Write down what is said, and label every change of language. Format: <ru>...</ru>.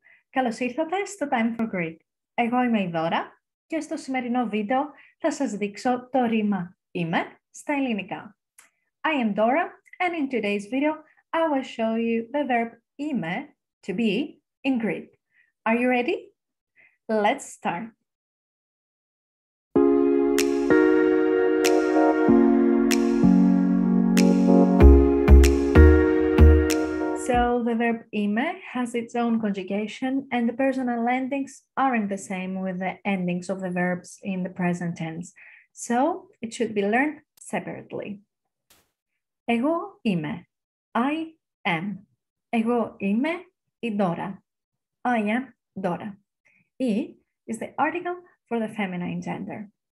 <el>Καλώς ήρθατε στο Time for Greek. Εγώ είμαι η Δώρα και στο σημερινό βίντεο θα σας δείξω το ρήμα είμαι στα ελληνικά.</el> <en>I am Dora and in today's video I will show you the verb είμαι, to be, in Greek. Are you ready? Let's start. So the verb είμαι has its own conjugation and the personal endings aren't the same with the endings of the verbs in the present tense. So it should be learned separately.</en> <el>Εγώ είμαι.</el> <en>I am.</en> <el>Εγώ είμαι η Dora.</el> <en>I am Dora. Η is the article for the feminine gender.</en>